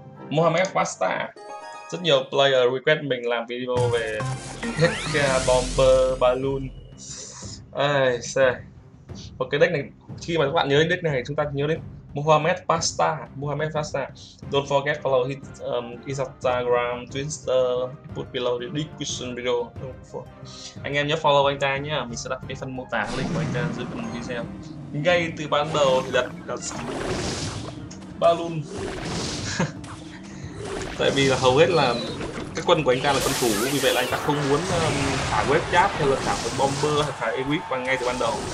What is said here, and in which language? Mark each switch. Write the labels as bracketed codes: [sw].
[vi] Mohamed Pasta. Rất nhiều player request mình làm video về Bomber Balloon. Ai xe. Ok, deck này khi mà các bạn nhớ đến deck này, chúng ta nhớ đến Mohamed Pasta. [en] Don't forget follow his Instagram, Twitter, put below the description video. [vi] Anh em nhớ follow anh ta nhé, mình sẽ đặt cái phần mô tả link của anh ta dưới phần video. Ngay từ ban đầu thì đặt balloon. Tại vì là hầu hết là các quân của anh ta là quân thủ, vì vậy là anh ta không muốn thả web giáp hay là thả một bomber hay thả equip bằng ngay từ ban đầu.